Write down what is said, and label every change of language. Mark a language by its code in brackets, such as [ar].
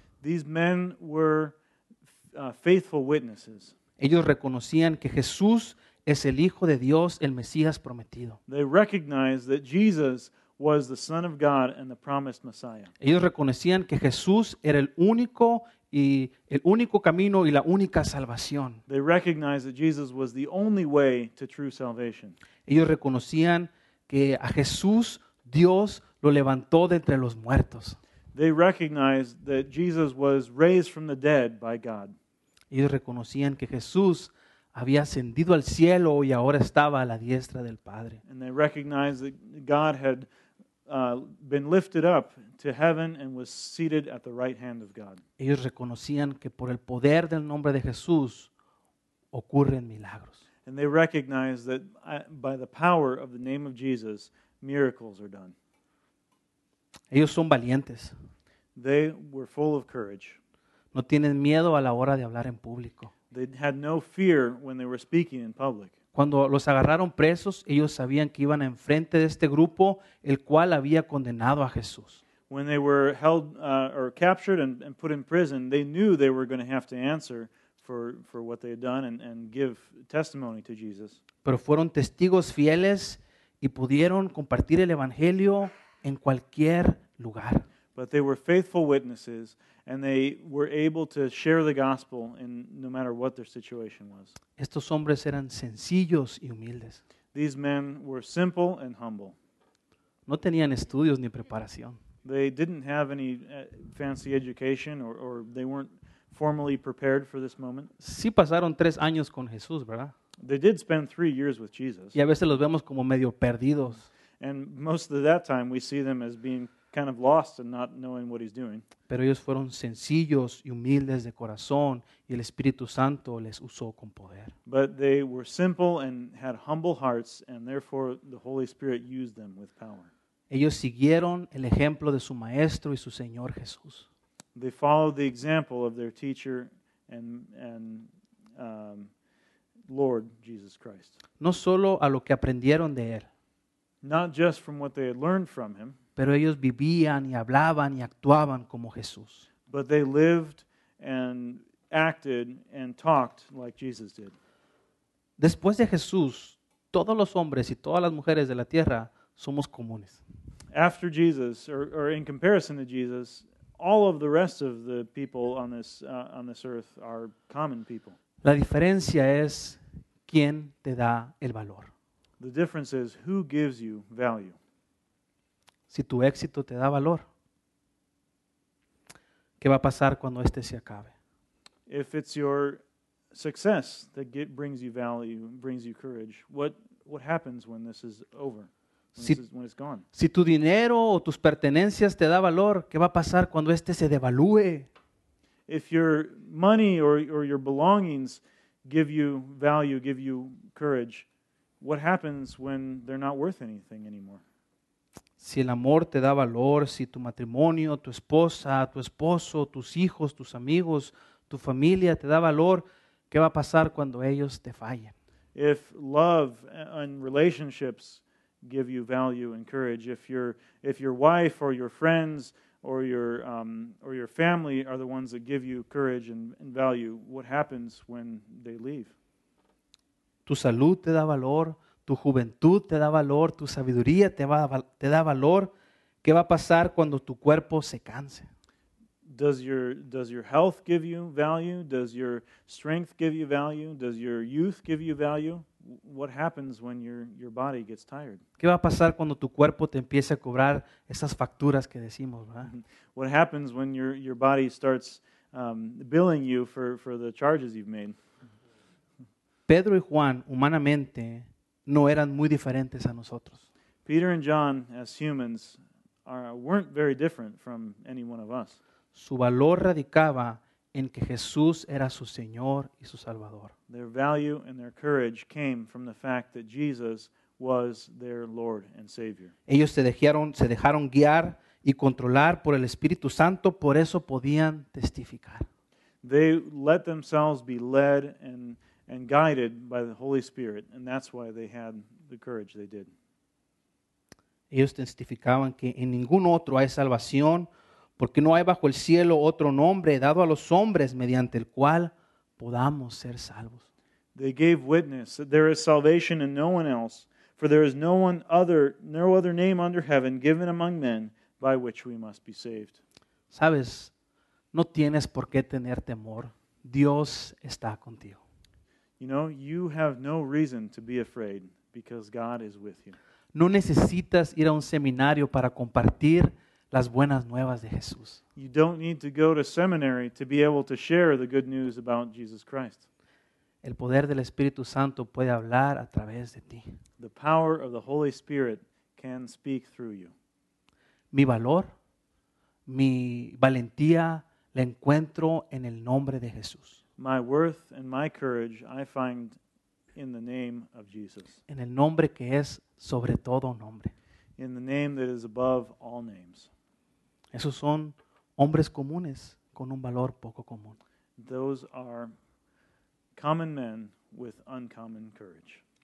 [en] These men were faithful witnesses. [es] Ellos reconocían que Jesús es el Hijo de Dios, el Mesías prometido. [en] They recognized that Jesus was the Son of God and the promised Messiah. [es] Ellos reconocían que Jesús era el único camino y la única salvación. [en] They recognized that Jesus was the only way to true salvation. [es] Ellos reconocían que a Jesús Dios lo levantó de entre los muertos. [en] They recognized that Jesus was raised from the dead by God. [es] Ellos reconocían que Jesús había ascendido al cielo y ahora estaba a la diestra del Padre. [en] And they recognized that God had been lifted up to heaven and was seated at the right hand of God. [es] Ellos reconocían que por el poder del nombre de Jesús ocurren milagros. [en] And they recognized that by the power of the name of Jesus, miracles are done. [es] Ellos son valientes. [en] They were full of courage. [es] No tienen miedo a la hora de hablar en público. [en] They had no fear when they were speaking in public. [es] Cuando los agarraron presos, ellos sabían que iban enfrente de este grupo, el cual había condenado a Jesús. [en] When they were held or captured and put in prison, they knew they were going to have to answer for what they had done and give testimony to Jesus. [es] Pero fueron testigos fieles y pudieron compartir el evangelio en cualquier lugar. [en] But they were faithful witnesses and they were able to share the gospel in no matter what their situation was. [es] Estos hombres eran sencillos y humildes. [en] These men were simple and humble. [es] No tenían estudios ni preparación. [en] They didn't have any fancy education or they weren't formally prepared for this moment. [es] Sí pasaron 3 años con Jesús, ¿verdad? [en] They did spend 3 years with Jesus. [es] Y a veces los vemos como medio perdidos. [en] And most of that time we see them as being kind of lost and not knowing what he's doing. [es] Pero ellos fueron sencillos y humildes de corazón y el Espíritu Santo les usó con poder. [en] But they were simple and had humble hearts and therefore the Holy Spirit used them with power. [es] Ellos siguieron el ejemplo de su maestro y su Señor Jesús. [en] They followed the example of their teacher and Lord Jesus Christ. [es] No solo a lo que aprendieron de él. [en] Not just from what they had learned from him. [es] Pero ellos vivían y hablaban y actuaban como Jesús. [en] But they lived and acted and talked like Jesus did. [es] Después de Jesús, todos los hombres y todas las mujeres de la tierra somos comunes. [en] After Jesus, or in comparison to Jesus, all of the rest of the people on this earth are common people. [es] La diferencia es quién te da el valor. [en] The difference is who gives you value. [es] Si tu éxito te da valor, ¿qué va a pasar cuando este se acabe? [en] If it's your success that brings you value, brings you courage, what happens when this is over? When it's gone? [es] Si tu dinero o tus pertenencias te da valor, ¿qué va a pasar cuando este se devalúe? [en] If your money or your belongings give you value, give you courage, what happens when they're not worth anything anymore? [es] Si el amor te da valor, si tu matrimonio, tu esposa, tu esposo, tus hijos, tus amigos, tu familia te da valor, ¿qué va a pasar cuando ellos te fallen? [en] If love and relationships give you value and courage, if your wife or your friends or your family are the ones that give you courage and value, what happens when they leave? [es] Tu salud te da valor, tu juventud te da valor, tu sabiduría te da valor. ¿Qué va a pasar cuando tu cuerpo se canse? [en] Does your health give you value? Does your strength give you value? Does your youth give you value? What happens when your body gets tired? [es] ¿Qué va a pasar cuando tu cuerpo te empiece a cobrar esas facturas que decimos, ¿verdad? [en] What happens when your body starts billing you for the charges you've made? [es] Pedro y Juan, humanamente, no eran muy diferentes a nosotros. [en] Peter and John, as humans, weren't very different from any one of us. [es] Su valor radicaba en que Jesús era su Señor y su Salvador. [en] Their value and their courage came from the fact that Jesus was their Lord and Savior. [es] Ellos se dejaron guiar y controlar por el Espíritu Santo, por eso podían testificar. [en] They let themselves be led and guided by the Holy Spirit, and that's why they had the courage they did. [es] Ellos testificaban que en ningún otro hay salvación, porque no hay bajo el cielo otro nombre dado a los hombres mediante el cual podamos ser salvos. [en] They gave witness that there is salvation in no one else, for there is no other name under heaven given among men by which we must be saved. [es] Sabes, no tienes por qué tener temor. Dios está contigo. [en] You know, you have no reason to be afraid because God is with you. [es] No necesitas ir a un seminario para compartir las buenas nuevas de Jesús. [en] You don't need to go to seminary to be able to share the good news about Jesus Christ. [es] El poder del Espíritu Santo puede hablar a través de ti. [en] The power of the Holy Spirit can speak through you. [es] Mi valor, mi valentía, la encuentro en el nombre de Jesús. [en] My worth and my courage I find in the name of Jesus. [es] En el nombre que es sobre todo nombre. [en] In the name that is above all names. [es] Esos son hombres comunes con un valor poco común. [en] Those are common men with uncommon courage.